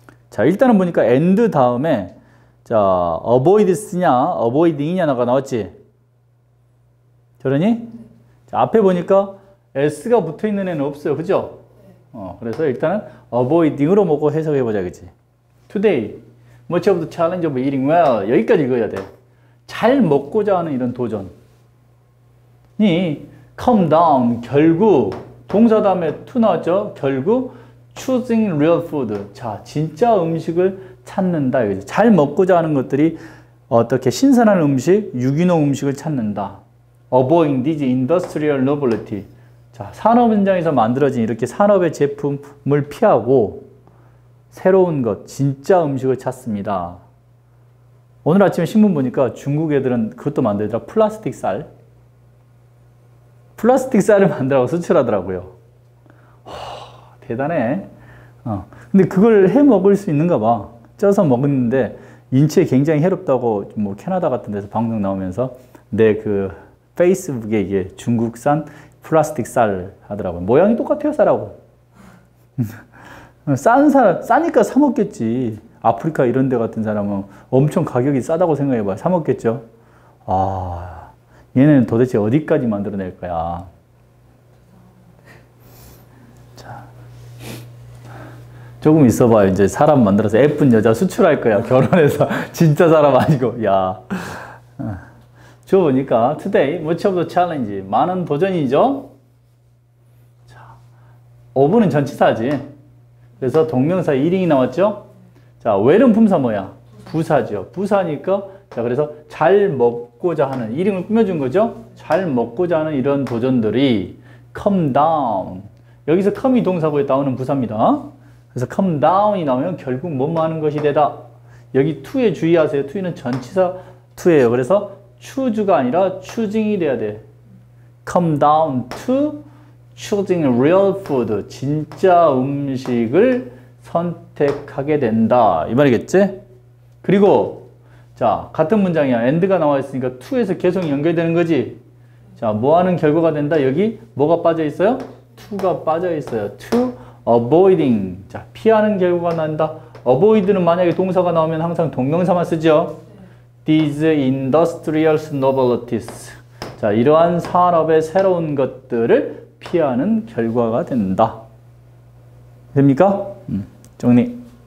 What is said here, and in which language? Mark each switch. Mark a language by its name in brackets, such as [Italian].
[Korean] 자, 일단은 보니까 end 다음에 자, avoid쓰냐, avoiding이냐가 나왔지? 그러니? 자, 앞에 보니까 s가 붙어 있는 애는 없어요. 그죠? 그래서 일단은 avoiding으로 먹고 해석해 보자, 그치? [English] Today, much of the challenge of eating well. [Korean] 여기까지 읽어야 돼. 잘 먹고자 하는 이런 도전이 [English] come down, [Korean] 결국, 동사 다음에 to 나왔죠? 결국, [English] choosing real food. [Korean] 자, 진짜 음식을 찾는다. 그치? 잘 먹고자 하는 것들이 어떻게 신선한 음식, 유기농 음식을 찾는다. [English] avoiding these industrial novelty. [Korean] 자, 산업 현장에서 만들어진 이렇게 산업의 제품을 피하고 새로운 것, 진짜 음식을 찾습니다. 오늘 아침에 신문 보니까 중국 애들은 그것도 만들더라. 플라스틱 쌀. 플라스틱 쌀을 만들라고 수출하더라고요. 와, 대단해. 근데 그걸 해 먹을 수 있는가 봐. 쪄서 먹었는데 인체에 굉장히 해롭다고 뭐 캐나다 같은 데서 방송 나오면서 내 그 페이스북에 이게 중국산 플라스틱 쌀 하더라고요. 모양이 똑같아요, 쌀하고. 싼 쌀, 싸니까 사먹겠지. 아프리카 이런 데 같은 사람은 엄청 가격이 싸다고 생각해봐요. 사먹겠죠? 아, 얘네는 도대체 어디까지 만들어낼 거야. 자, 조금 있어봐요. 이제 사람 만들어서 예쁜 여자 수출할 거야. 결혼해서 진짜 사람 아니고. 야. 주어 보니까 [English] today much of the challenge [Korean] 많은 도전이죠. 자, of는 전치사지. 그래서 동명사 1인이 나왔죠. 자, where은 품사 뭐야? 부사죠. 부사니까 자, 그래서 잘 먹고자 하는 1인을 꾸며준 거죠. 잘 먹고자 하는 이런 도전들이 [English] come down. [Korean] 여기서 come이 동사고에 나오는 부사입니다. 그래서 come down이 나오면 결국 뭐뭐 하는 것이 되다. 여기 to에 주의하세요. to는 전치사 to예요. 그래서 choose가 아니라 choosing이 돼야 돼. [English] Come down to choosing real food. [Korean] 진짜 음식을 선택하게 된다. 이 말이겠지? 그리고 자, 같은 문장이야. and가 나와 있으니까 to에서 계속 연결되는 거지. 자, 뭐 하는 결과가 된다? 여기 뭐가 빠져 있어요? to가 빠져 있어요. [English] to avoiding. [Korean] 자, 피하는 결과가 난다. avoid는 만약에 동사가 나오면 항상 동명사만 쓰죠. [English] These industrial novelties. [Korean] 자, 이러한 산업의 새로운 것들을 피하는 결과가 된다. 됩니까? 정리.